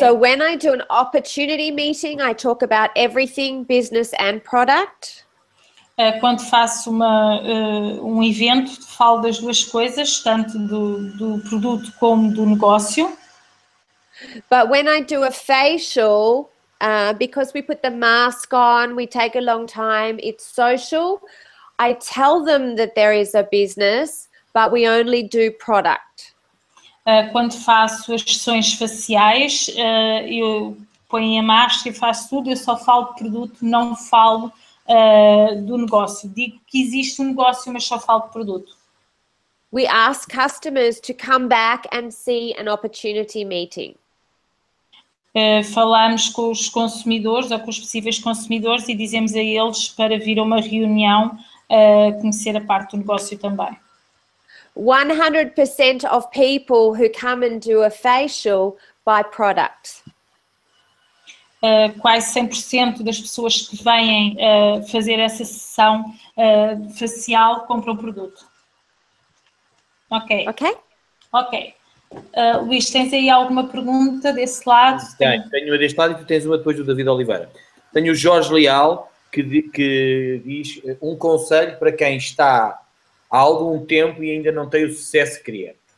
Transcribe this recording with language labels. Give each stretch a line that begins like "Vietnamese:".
English: So when I do an opportunity meeting, I talk about everything, business and product.
Portuguese: Quando faço um evento, falo das duas coisas, tanto do produto como do negócio.
English: But when I do a facial, because we put the mask on, we take a long time, it's social, I tell them that there is a business, but we only do product.
Portuguese: Quando faço as sessões faciais, eu ponho a máscara e faço tudo, eu só falo de produto, não falo do negócio. Digo que existe um negócio, mas só falo de produto.
English: We ask customers to come back and see an opportunity meeting.
Portuguese: Falamos com os consumidores ou com os possíveis consumidores e dizemos a eles para vir a uma reunião a conhecer a parte do negócio também.
English: 100% of people who come and do a facial buy product.
Portuguese: Quase 100% das pessoas que vêm fazer essa sessão facial compram o produto. Ok. Ok. Ok. Luís, tens aí alguma pergunta desse lado? Tenho uma deste lado e tu tens uma depois do David Oliveira. Tenho o Jorge Leal que diz um conselho para quem está há algum tempo e ainda não tem o sucesso que queria.